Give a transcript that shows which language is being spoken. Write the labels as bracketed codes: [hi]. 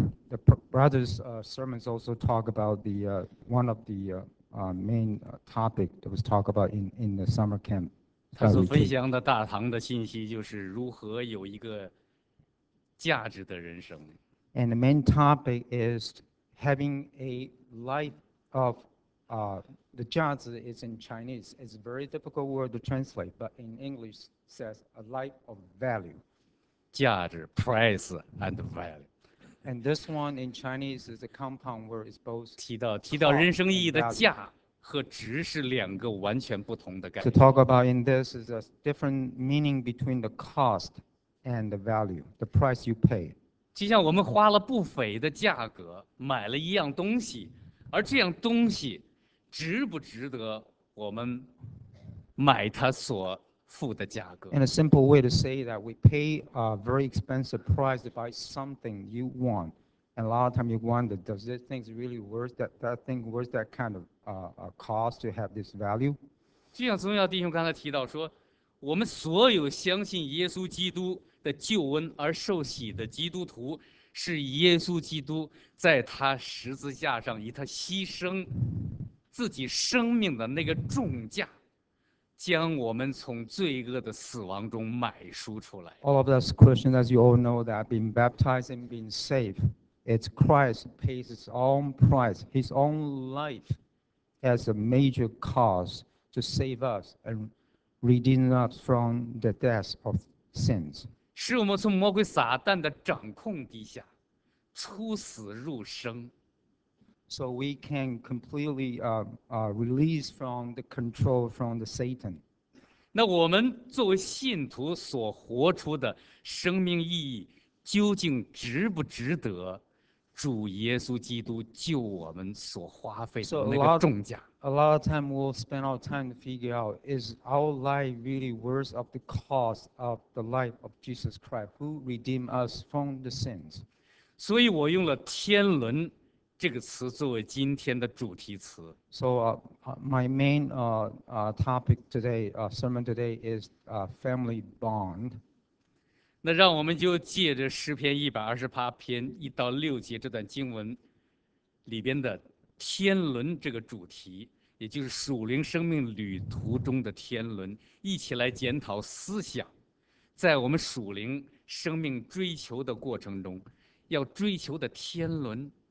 [en] The brothers' sermons also talk about the one of the main topic that was talked about in the summer camp. [zh] 他所分享的大堂的信息就是如何有一个价值的人生。 [en] And the main topic is having a life of the 价值 is in Chinese. It's a very difficult word to translate, but in English says a life of value. 价值 price and value. And this one in Chinese is a compound word. It's both [zh] 提到人生意义的价和值是两个完全不同的概念。 [en] To talk about in this is a different meaning between the cost and the value, the price you pay. [zh] 就像我们花了不菲的价格买了一样东西，而这样东西值不值得我们买它所付的价格。 [en] In a simple way to say that we pay a very expensive price to buy something you want, and a lot of time you wonder, does this thing really worth that thing worth that kind of cost to have this value? [zh] 就像宗耀弟兄刚才提到说，我们所有相信耶稣基督的救恩而受洗的基督徒，是耶稣基督在他十字架上以他牺牲自己生命的那个重价。将我们从罪恶的死亡中买赎出来。 [en] All of us Christians, as you all know, that being baptized and being saved, it's Christ pays His own price, His own life, as a major cost to save us and redeem us from the death of sins. [zh] 使我们从魔鬼撒旦的掌控底下，出死入生。 [en] So we can completely release from the control from the Satan. [zh] 那我们作为信徒所活出的生命意义，究竟值不值得主耶稣基督救我们所花费的那个重价 [en] ？A lot of time we'll spend our time to figure out is our life really worth of the cost of the life of Jesus Christ who redeemed us from the sins. [zh] 所以我用了天伦。这个词作为今天的主题词。 [en] So my main topic today, sermon today is family bond. [zh] 那让我们就借着诗篇128篇1-6节这段经文里边的天伦这个主题，也就是属灵生命旅途中的天伦，一起来检讨思想，在我们属灵生命追求的过程中，要追求的天伦。